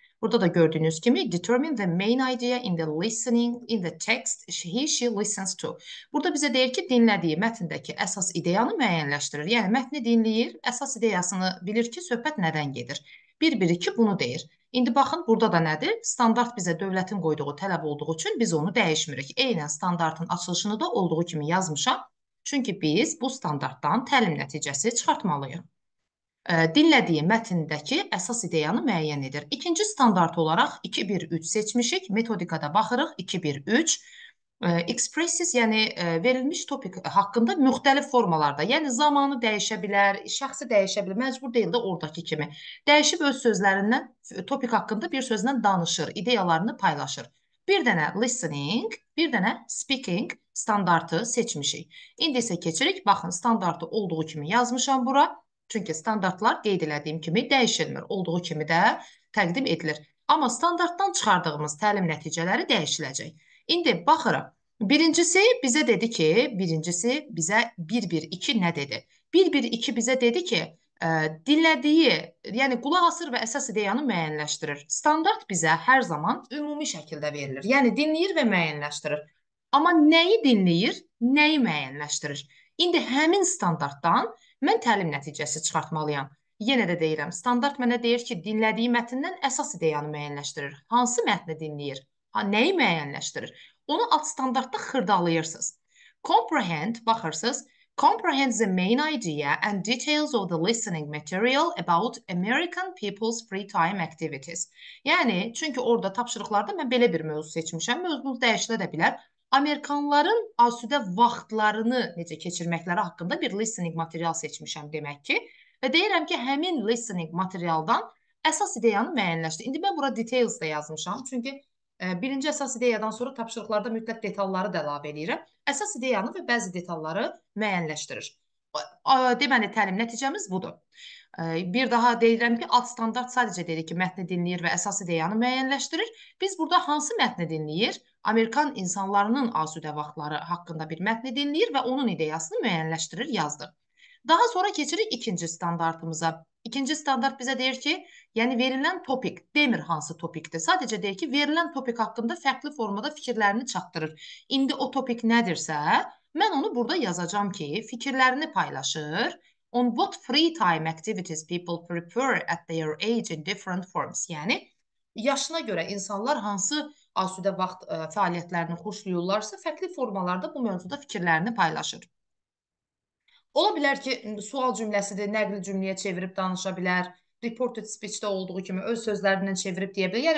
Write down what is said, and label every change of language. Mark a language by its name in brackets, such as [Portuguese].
[Azerbaijani] Burada da gördüyünüz kimi [English] determine the main idea in the listening, in the text he, she listens to. [Azerbaijani] Burada bizə deyir ki, dinlədiyi mətndəki əsas ideyanı müəyyənləşdirir. Yəni, mətni dinləyir, əsas ideyasını bilir ki, söhbət nədən gedir. 1-1-2 bunu deyir. İndi baxın, burada da nədir? Standart bizə dövlətin qoyduğu tələb olduğu üçün biz onu dəyişmirik. Eynən standartın açılışını da olduğu kimi yazmışam. Çünki biz bu standartdan təlim nəticəsi çıxartmalıyıq. Dinlədiyi mətindəki əsas ideyanı müəyyən edir. İkinci standart olaraq 2-1-3 seçmişik. Metodikada baxırıq 2-1-3. Expresses, yəni verilmiş topik haqqında müxtəlif formalarda, yəni zamanı dəyişə bilər, şəxsi dəyişə bilər, məcbur deyil də oradakı kimi. Dəyişib öz sözlərindən topik haqqında bir sözlə danışır, ideyalarını paylaşır. Bir dənə listening, bir dənə speaking standartı seçmişik. İndi isə keçirik. Baxın, standartı olduğu kimi yazmışam bura. Çünki standartlar qeyd elədiyim kimi dəyişilmir. Olduğu kimi də təqdim edilir. Amma standartdan çıxardığımız təlim nəticələri dəyişiləcək. İndi baxırıq. Birincisi bizə dedi ki, birincisi bizə 1-1-2 nə dedi? 1-1-2 bizə dedi ki, dinlədiyi, yəni qulaq asır və əsas ideyanı müəyyənləşdirir. Standart bizə hər zaman ümumi şəkildə verilir. Yəni dinləyir və müəyyənləşdirir. Amma nəyi dinləyir, nəyi müəyyənləşdirir? İndi həmin standartdan mən təlim nəticəsi çıxartmalıyam. Yenə də deyirəm, standart mənə deyir ki, dinlədiyi mətindən əsas ideyanı müəyyənləşdirir. Hansı mətni dinləyir? Nəyi müəyyənləşdirir? Onu alt standartda xırdalayırsınız. Comprehend, baxırsınız. [English] Comprehend the main idea and details of the listening material about American people's free time activities. [Azerbaijani] Yəni, çünki orada tapşırıqlarda mən belə bir mövzu seçmişəm. Mövzumuz dəyişilə də bilər. Amerikanların asudə vaxtlarını necə keçirməkləri haqqında bir listening material seçmişəm demək ki. Və deyirəm ki, həmin listening materialdan əsas ideyanı müəyyənləşdir. İndi mən bura details də yazmışam. Çünki birinci əsas ideyadan sonra tapşırıqlarda mütləq detalları da əlavə edirəm. Əsas ideyanı və bəzi detalları müəyyənləşdirir. Deməli, təlim nəticəmiz budur. Bir daha deyirəm ki, alt standart sadəcə deyir ki, mətni dinləyir və əsas ideyanı müəyyənləşdirir. Biz burada hansı mətni dinləyir? Amerikan insanlarının asudə vaxtları haqqında bir mətni dinləyir və onun ideyasını müəyyənləşdirir, yazdı. Daha sonra keçirik ikinci standartımıza. İkinci standart bizə deyir ki, yəni verilən topik, demir hansı topikdir. Sadəcə deyir ki, verilən topik haqqında fərqli formada fikirlərini çatdırır. İndi o topik nədirsə, mən onu burada yazacağım ki, fikirlərini paylaşır. [English] On what free time activities people prefer at their age in different forms. [Azerbaijani] Yəni, yaşına görə insanlar hansı asudə vaxt fəaliyyətlərini xoşlayırlarsa, fərqli formalarda bu mövzuda fikirlərini paylaşır. Ola bilər ki, sual cümləsidir, nəqli cümləyə çevirib danışa bilər, reported speech-də olduğu kimi öz sözlərindən çevirib deyə bilər.